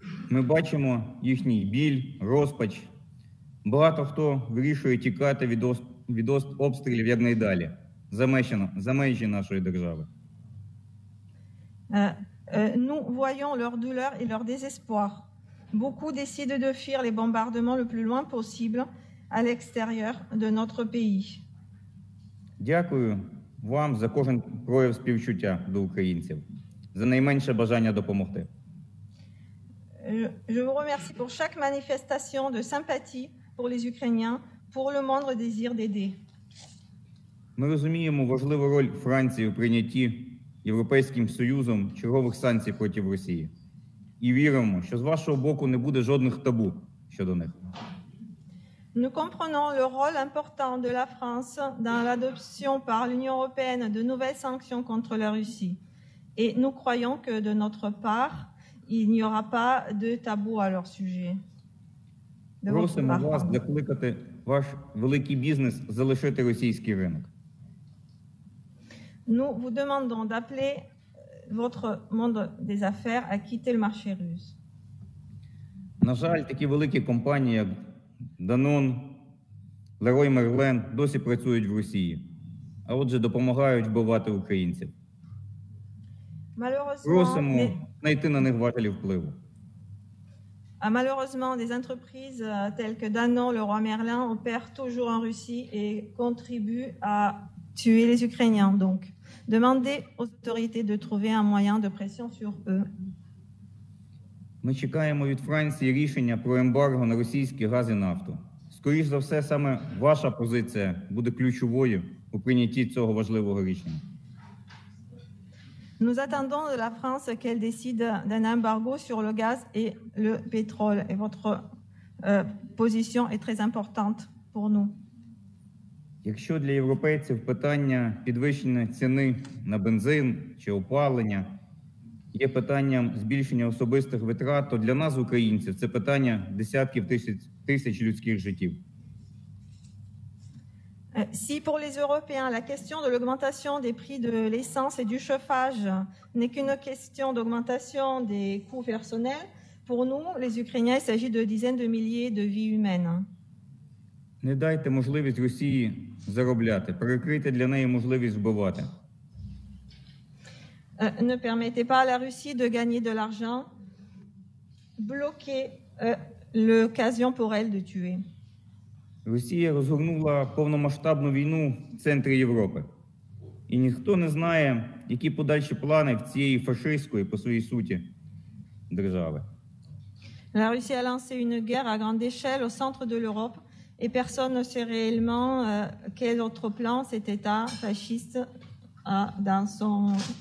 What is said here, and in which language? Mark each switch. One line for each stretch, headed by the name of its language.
Ukrainian: Ми бачимо їхній біль, розпач. Багато хто вирішує тікати від обстрілів якнайдалі, за межі нашої держави.
French: Nous voyons leur douleur et leur désespoir. Beaucoup décident de fuir les bombardements le plus loin possible à l'extérieur de notre pays.
Ukrainian: Дякую вам за кожен прояв співчуття до українців, за найменше бажання допомогти.
French: Je vous remercie pour chaque manifestation de sympathie pour les Ukrainiens, pour le moindre désir d'aider.
Ukrainian: Ми розуміємо важливу роль Франції у прийнятті Європейським Союзом чергових санкцій проти Росії. І віримо, що з вашого боку не буде жодних табу щодо них.
French: Nous comprenons le rôle important de la France dans l'adoption par l'Union européenne de nouvelles sanctions contre la Russie. Et nous croyons que de notre part, il n'y aura pas de tabou à leur sujet.
Ukrainian: Просимо вас закликати ваш великий бізнес залишити російський ринок.
French: Nous vous demandons d'appeler votre monde des affaires à quitter le marché russe.
Ukrainian: На жаль, такі великі компанії, як Данон, Leroy Merlin досі працюють в Росії, а отже допомагають вбивати українців. Просимо знайти на них важелі впливу.
French: А malheureusement, des entreprises telles que Danone, Leroy Merlin opèrent toujours en Russie et contribuent à tuer les Ukrainiens. Donc, demandez aux autorités de trouver un moyen de pression sur eux.
Ukrainian: Ми чекаємо від Франції рішення про ембарго на російський газ і нафту. Скоріше за все, саме ваша позиція буде ключовою у прийнятті цього важливого рішення.
French: Nous attendons de la France qu'elle décide d'un embargo sur le gaz et le pétrole. Et votre position est très importante pour nous.
Ukrainian: Якщо для європейців питання підвищення ціни на бензин чи опалення є питанням збільшення особистих витрат, то для нас, українців, це питання десятків тисяч людських життів.
French: Si pour les Européens la question de l'augmentation des prix de l'essence et du chauffage n'est qu'une question d'augmentation des coûts personnels, Pour nous, les Ukrainiens, il s'agit de dizaines de milliers de vies humaines.
Ukrainian: Не дайте можливість Росії заробляти. Прикрийте для неї можливість вбивати.
French: Ne permettez pas à la Russie de gagner de l'argent. Bloquez l'occasion pour elle de tuer.
Ukrainian: Росія розгорнула повномасштабну війну в центрі Європи. І ніхто не знає, які подальші плани в цієї фашистської, по своїй суті, держави.
French: La Russie a lancé une guerre à grande échelle au centre de l'Europe et personne ne sait réellement quel autre plan cet État fasciste a dans son